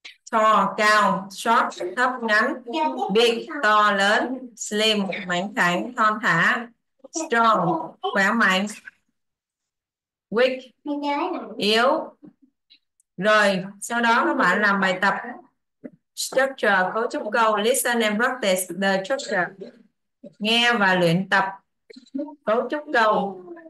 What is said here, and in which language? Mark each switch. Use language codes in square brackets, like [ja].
[vi] To, cao, short, thấp, ngắn. Big, to, lớn. Slim, mảnh khảnh, thon thả. Strong, khỏe mạnh. Weak, yếu. Rồi sau đó các bạn làm bài tập structure, cấu trúc câu. [en] Listen and practice the structure. [vi] Nghe và luyện tập cấu trúc câu.